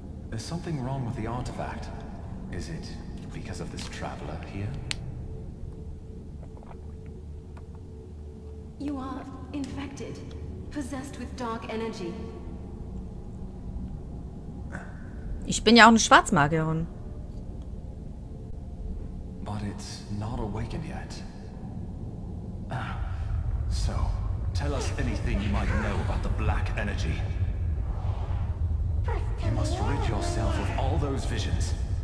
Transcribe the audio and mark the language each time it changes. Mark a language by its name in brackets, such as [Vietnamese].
[English] There's something wrong with the artifact. Is it because of this traveler here? You are infected, possessed with dark energy. [German] Ich bin ja auch eine Schwarzmagierin. [English] But it's not awakened yet. So, tell us anything you might know about the black energy. You must rid yourself of all those visions.